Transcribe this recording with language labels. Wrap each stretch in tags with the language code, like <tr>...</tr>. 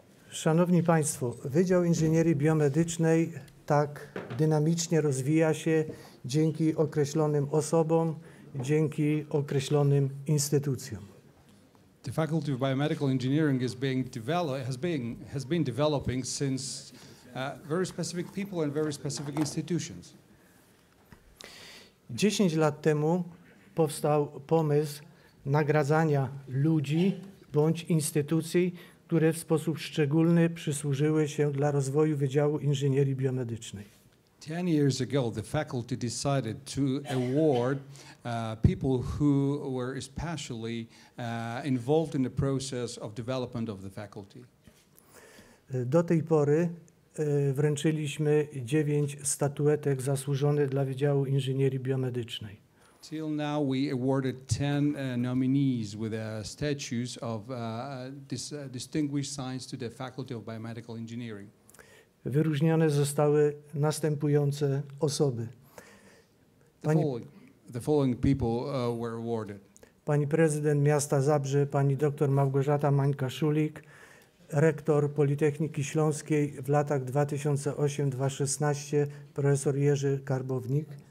<pl>Szanowni Państwo, Wydział Inżynierii Biomedycznej tak dynamicznie rozwija się dzięki określonym osobom, dzięki określonym instytucjom.</pl> <en>The Faculty of Biomedical Engineering is being has been developing since very specific people and very specific institutions.</en> <pl>10 lat temu powstał pomysł nagradzania ludzi bądź instytucji, które w sposób szczególny przysłużyły się dla rozwoju Wydziału Inżynierii Biomedycznej.</pl> <en>10 years ago the faculty decided to award people who were especially involved in the process of development of the faculty.</en> <pl>Do tej pory wręczyliśmy 9 statuetek zasłużone dla Wydziału Inżynierii Biomedycznej.</pl> <en>Till now, we awarded 10 nominees with statues of distinguished science to the Faculty of Biomedical Engineering.</en> <pl>Wyróżnione zostały następujące osoby.</pl> <en>The following people were awarded.</en> <pl>Pani prezydent miasta Zabrze, pani dr Małgorzata Mańka-Szulik, rektor Politechniki Śląskiej w latach 2008-2016, profesor Jerzy Karbownik.</pl>